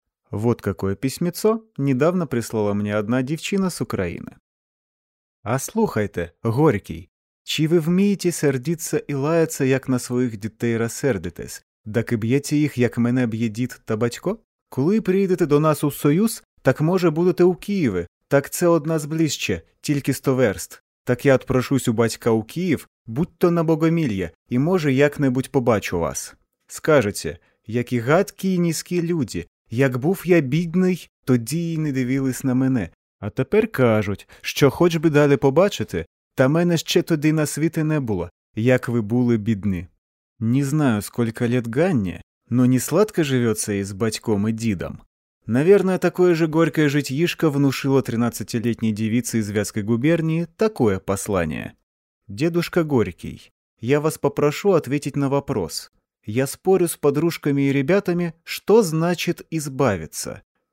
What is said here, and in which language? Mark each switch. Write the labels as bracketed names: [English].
[Russian] Вот какое письмецо недавно прислала мне одна девчина с Украины. [Ukrainian] А слухайте, Горький, чи ви вмієте сердиться і лаяться, як на своїх дітей розсердитесь, так і б'єте їх, як мене б'є дід та батько? Коли приїдете до нас у Союз, так може будете у Києві, так це од нас ближче, тільки 100 верст. Так я отпрошусь у батька у Київ, будь то на Богомілля, і може як-небудь побачу вас. Скажете, які гадкі і низькі люди, як був я бідний, тоді й не дивились на мене. А тепер кажуть, що хоч би дали побачити, та мене ще тоді на світі не було, як ви були бідні. Не знаю, скільки лет Ганні, [Russian] но не сладко [Ukrainian] живеться і з батьком і дідом. [Russian] Наверное, такое же горькое житьишко внушило 13-летней девице из Вятской губернии такое послание. «Дедушка Горький, я вас попрошу ответить на вопрос. Я спорю с подружками и ребятами, что значит избавиться.